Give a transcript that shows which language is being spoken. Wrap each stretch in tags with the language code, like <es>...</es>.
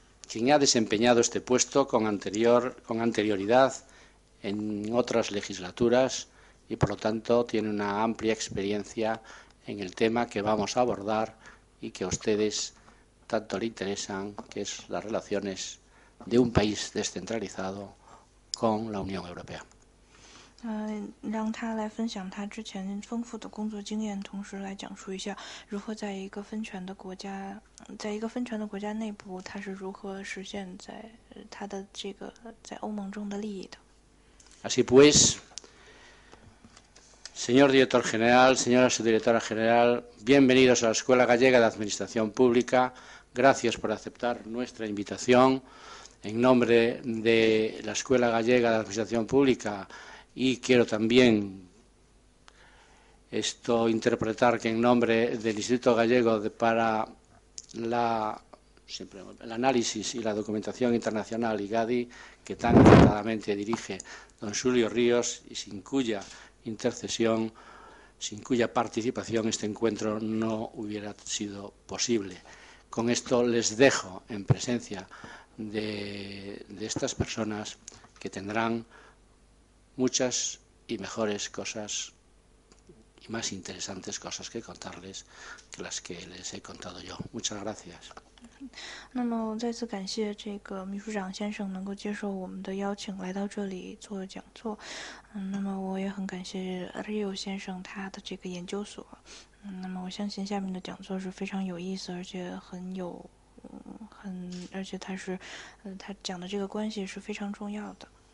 <es>quien ha desempeñado este puesto con anterioridad en otras legislaturas y, por lo tanto, tiene una amplia experiencia en el tema que vamos a abordar y que a ustedes tanto le interesan, que es las relaciones de un país descentralizado con la Unión Europea.</es> <zh>让他来分享他之前丰富的工作经验，同时来讲述一下如何在一个分权的国家，在一个分权的国家内部，他是如何实现在他的这个在欧盟中的利益的。</zh> <es>Así pues, señor director general, señora subdirectora general, bienvenidos a la Escuela Gallega de Administración Pública. Gracias por aceptar nuestra invitación en nombre de la Escuela Gallega de Administración Pública. Y quiero también esto interpretar que en nombre del Instituto Gallego para el análisis y la documentación internacional IGADI, que tan acertadamente dirige don Julio Ríos y sin cuya participación este encuentro no hubiera sido posible. Con esto les dejo en presencia de estas personas que tendrán... muchas y mejores cosas y más interesantes cosas que contarles que las que les he contado yo. Muchas gracias.</es> <zh>那么再次感谢这个秘书长先生能够接受我们的邀请来到这里做讲座。那么我也很感谢 Rio 先生他的这个研究所。那么我相信下面的讲座是非常有意思而且很有、而且他是、他讲的这个关系是非常重要的。</zh>